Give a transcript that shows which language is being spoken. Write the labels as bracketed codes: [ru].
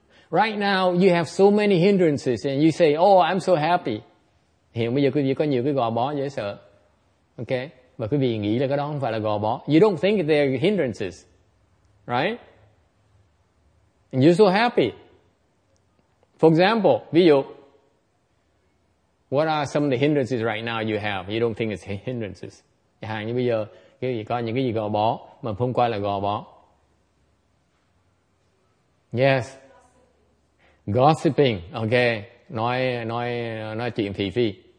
[en] Right now, you have so many hindrances and you say, oh, I'm so happy. [vi] Hiện bây giờ quý vị có nhiều cái gò bó dễ sợ. Okay? Và quý vị nghĩ là cái đó không phải là gò bó. [en] You don't think they're hindrances. Right? And you're so happy. For example, [vi] ví dụ, [en] what are some of the hindrances right now you have? You don't think it's hindrances. [vi] Hàng như bây giờ, quý vị có những cái gì gò bó mà không qua là gò bó. [en] Yes. Gossiping, okay, [vi] nói chuyện thị phi.